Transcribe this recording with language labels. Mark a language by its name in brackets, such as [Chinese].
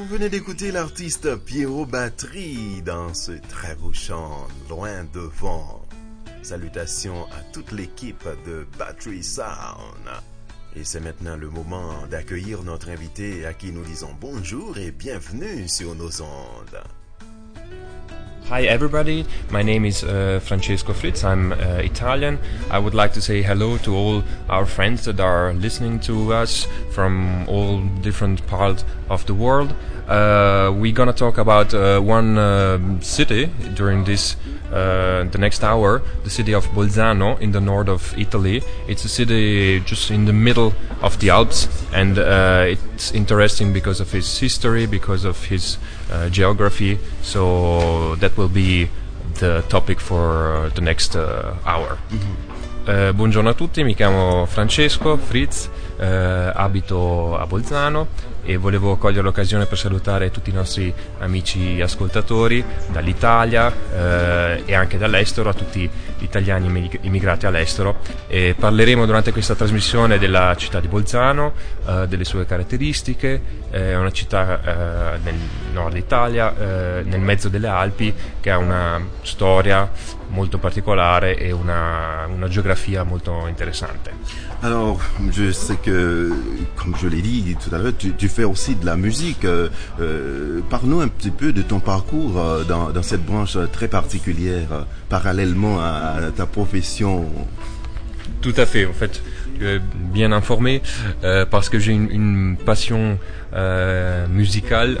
[French] D'écouter l'artiste Pierrot Batry dans ce très beau chant Loin Devant. Salutations à toute l'équipe de Battery Sound. Et c'est maintenant le moment d'accueillir notre invité à qui nous disons bonjour et bienvenue sur nos ondes. [English] Hi everybody, my name is Francesco Fritz, I'm Italian. I would like to say hello to all our friends that are listening to us from all different parts of the world. We're gonna talk about one city during this the next hour, the city of Bolzano in the north of Italy. It's a city just in the middle of the Alps, and it's interesting because of its history, because of its geography. So that will be the topic for the next hour. Mm-hmm. [Italian] Buongiorno a tutti, mi chiamo Francesco Fritz, abito a Bolzano. E volevo cogliere l'occasione per salutare tutti i nostri amici ascoltatori dall'Italia e anche dall'estero, a tutti gli italiani immigrati all'estero. E parleremo durante questa trasmissione della città di Bolzano, delle sue caratteristiche. È una città nel nord Italia, nel mezzo delle Alpi, che ha una storia molto particolare e una geografia molto interessante. [French] Alors, je sais que, comme je l'ai dit tout à l'heure, tu fais aussi de la musique. Parle-nous un petit peu de ton parcours dans cette branche très particulière, parallèlement à ta profession. Tout à fait, en fait, bien informé, parce que j'ai une passion musicale.